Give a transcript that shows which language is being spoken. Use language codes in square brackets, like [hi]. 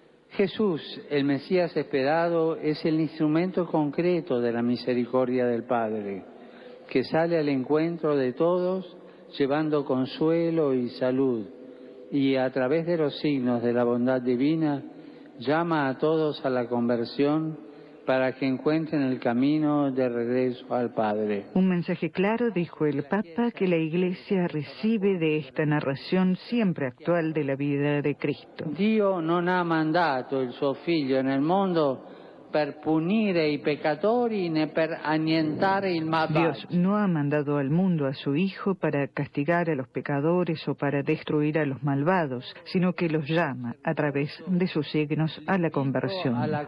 [es] Jesús, el Mesías esperado, es el instrumento concreto de la misericordia del Padre, que sale al encuentro de todos, llevando consuelo y salud, y a través de los signos de la bondad divina, llama a todos a la conversión, para que encuentren el camino de regreso al Padre. Un mensaje claro, dijo el Papa, que la Iglesia recibe de esta narración siempre actual de la vida de Cristo. [it] Dio non ha mandato il suo figlio nel mondo per punire i peccatori né per annientare il malvagio. [es] Dios no ha mandado al mundo a su Hijo para castigar a los pecadores o para destruir a los malvados, sino que los llama a través de sus signos a la conversión.